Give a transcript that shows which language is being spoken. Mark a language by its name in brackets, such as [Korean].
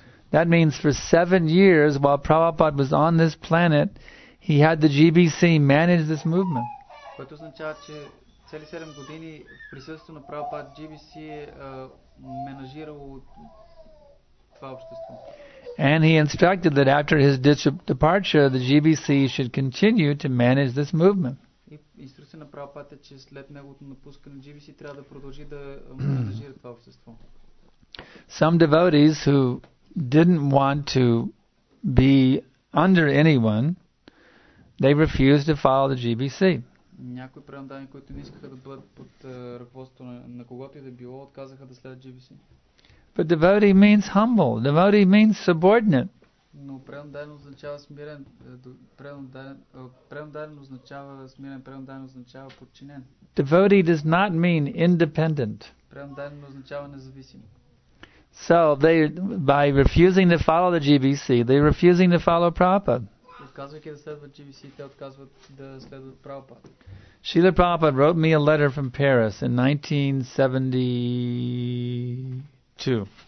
[English] That means for 7 years, while Prabhupada was on this planet, he had the GBC manage this movement. [Bulgarian] Което означава, че цели 7 години в присъствието на Prabhupada GBC е менажирало това общество. [English] And he instructed that after his departure, the GBC should continue to manage this movement. [Bulgarian] Инструкция на Прабхупада е, че след неговото напускане GBC трябва да продължи да менажира това общество. [English] Some devotees who didn't want to be under anyone, they refused to follow the GBC. [Bulgarian] Някои преданни, които не искаха да бъдат под ръководството на когото и да било, отказаха да следят GBC. [English] But devotee means humble. Devotee means subordinate. [Bulgarian] Но преданен означава смирен, преданен означава смирен, преданен означава подчинен. [English] Devotee does not mean independent. [Bulgarian] Преданен означава независим. [English] So they, by refusing to follow the GBC, they're refusing to follow Prabhupada. [Bulgarian] Отказвайки да следват GBC, те отказват да следват Prabhupada. [English] Srila Prabhupada wrote me a letter from Paris in 1972.